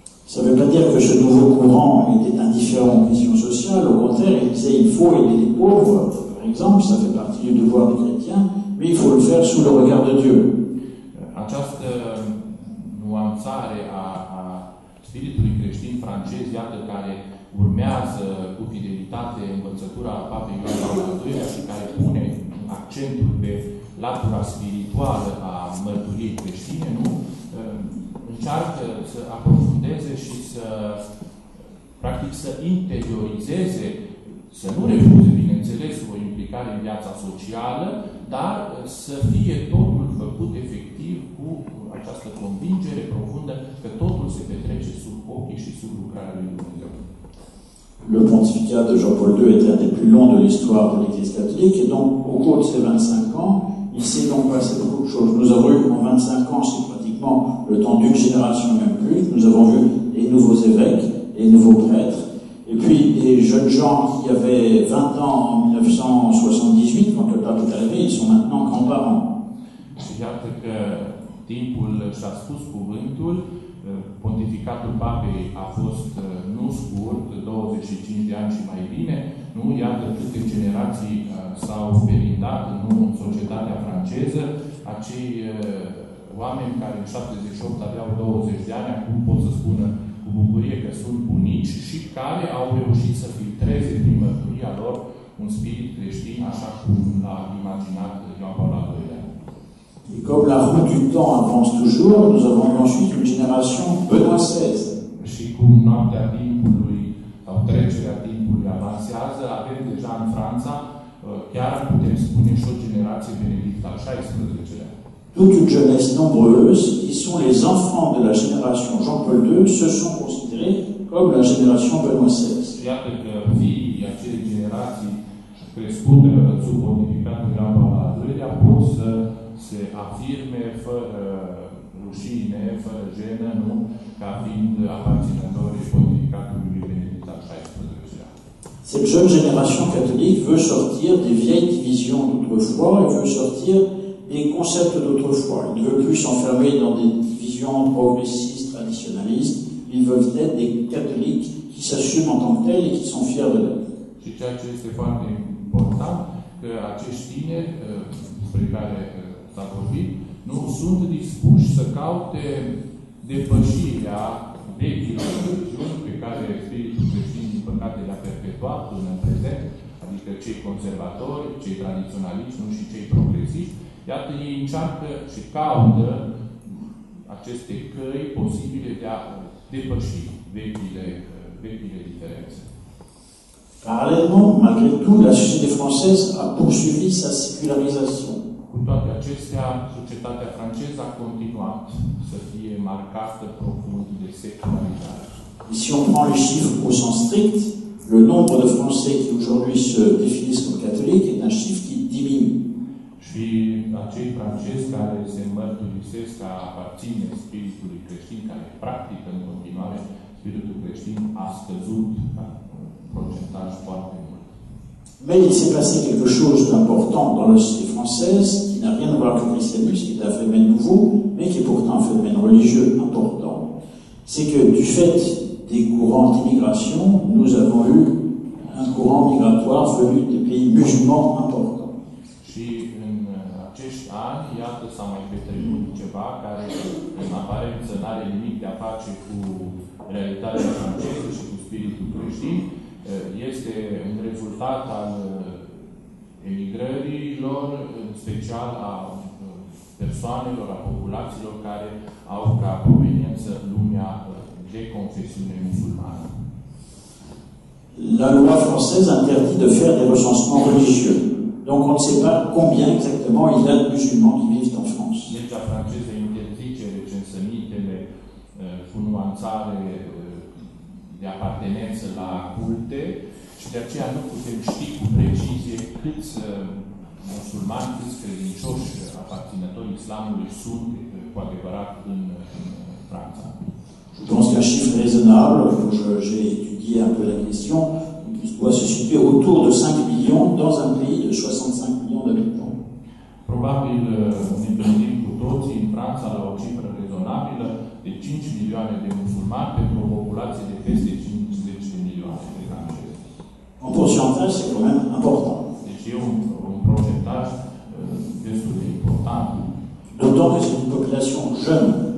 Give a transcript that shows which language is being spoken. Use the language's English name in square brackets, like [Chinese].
[French] Ça ne veut pas dire que ce nouveau courant était indifférent aux questions sociales, au contraire, il disait il faut aider les pauvres, par exemple, ça fait partie du devoir des chrétiens, mais il faut le faire sous le regard de Dieu. [Romanian] Această nuanțare a spiritului creștin francez, iată, care urmează cu fidelitate învățătura a Papei Ioan Paul al II-lea și care pune accentul pe latura spirituală a mărturiei creștine, nu? Încearcă să aprofundeze și să practic să interiorizeze, să nu refuze, bineînțeles, o implicare în viața socială, dar să fie totul făcut efectiv cu această convingere profundă că totul se petrece sub ochii și sub lucrarea lui Dumnezeu. [French] Le pontificat de Jean-Paul II était un des plus longs de l'histoire de l'Église catholique, et donc au cours de ces 25 ans, il s'est donc passé beaucoup de choses. Nous avons eu en 25 ans, c'est pratiquement le temps d'une génération même plus, nous avons vu les nouveaux évêques, les nouveaux prêtres, et puis les jeunes gens qui avaient 20 ans en 1978, quand le pape est arrivé, ils sont maintenant grands-parents. J'ai que timpul s'a spus cuvântul. [Romanian] Pontificatul Papei a fost nu scurt, 25 de ani și mai bine, nu? Iată câte generații s-au perindat, nu, în societatea franceză, acei oameni care în 78 aveau 20 de ani, acum pot să spună cu bucurie că sunt bunici și care au reușit să filtreze prin mărturia lor un spirit creștin, așa cum l-a imaginat Ioan Paul al II-lea. [French] Et comme la roue du temps avance toujours, nous avons ensuite une génération Benoît XVI. [Romanian] Și cum noaptea timpului, sau trecerea timpului avansează, avem deja în Franța, chiar putem spune și o generație Benedict al XVI-lea. [French] Toute une jeunesse nombreuse, qui sont les enfants de la génération Jean-Paul II, se sont considérés comme la génération Benoît XVI. [Romanian] Iată că fiii acelei generații crescute sub pontificatul Ioan Paul al II-lea pot să se afirme fără rușine, fără jenă, nu? Ca fiind aparținători pontificatului Benedict al XVI-lea. [French] Cette jeune génération catholique veut sortir des vieilles divisions d'autrefois et veut sortir des concepts d'autrefois. Il ne veut plus s'enfermer dans des divisions progressistes, traditionalistes. Ils veulent être des catholiques qui s'assument en tant que tels et qui sont fiers de l'être. [Romanian] Și ceea ce este foarte important, că acești tineri, spre care s-a vorbit, nu sunt dispuși să caute depășirea vechilor religiuni pe care Spiritul creștin, din păcate, le-a perpetuat până în prezent, adică cei conservatori, cei tradiționaliști, nu și cei progresiști, iată, ei încearcă și caută aceste căi posibile de a depăși vechile diferențe. [French] Parallèlement, malgré tout, la société française a poursuivi sa sécularisation. [Romanian] Cu toate acestea, societatea franceză a continuat să fie marcată profund de secularizare. [French] Si on prend les chiffres au sens strict, le nombre de Français qui aujourd'hui se définissent comme catholiques est un chiffre qui diminue. [Romanian] Și acei francezi care se mărturisesc ca aparține spiritului creștin, care practică în continuare spiritul creștin, a scăzut procentaj foarte mult. [French] Mais il s'est passé quelque chose d'important dans la société française qui n'a rien à voir avec le christianisme, qui est un phénomène nouveau, mais qui est pourtant un phénomène religieux important. C'est que du fait des courants d'immigration, nous avons eu un courant migratoire venu des pays musulmans importants. [Romanian] Și în acești ani, iată, s-a mai petrecut ceva care, în aparență, n-are nimic de a face cu realitatea franceză și cu spiritul creștin. Este un rezultat al emigrărilor, în special a persoanelor, a populațiilor care au ca proveniență lumea de confesiune musulmană. [French] La loi française interdit de faire des recensements religieux. Donc on ne sait pas combien exactement il y a de musulmans qui vivent en France. [Romanian] Legea franceză interzice recensămintele cu nuanțare de apartenență la culte și de aceea nu putem ști cu precizie câți musulmani cât credincioși aparținători islamului sunt cu adevărat în Franța. [French] Je pense qu'un chiffre raisonnable, j'ai étudié un peu la question, doit se situer autour de 5 millions dans un pays de 65 millions d'habitants. [Romanian] Probabil ne gândim cu toții în Franța la o cifră rezonabilă de 5 milioane de musulmani pentru o populație de peste 50 de milioane de francezi. [French] En pourcentage, c'est quand même important. [Romanian] Deci e un procentaj destul de important. [French] D'autant que c'est une population jeune.